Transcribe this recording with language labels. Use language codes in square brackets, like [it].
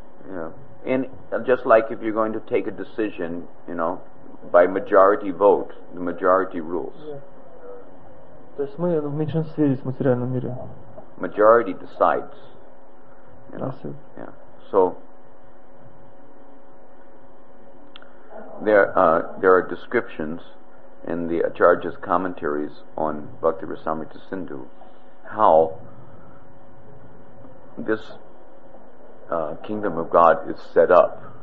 [en] Yeah. And just like if you're going to take a decision, you know, by majority vote, the majority rules. [ru] То есть мы в меньшинстве здесь в материальном мире. [en] Majority decides. You know? Yeah. So there are descriptions in the Acharya's commentaries on Bhakti Rasamrita Sindhu how this kingdom of God is set up.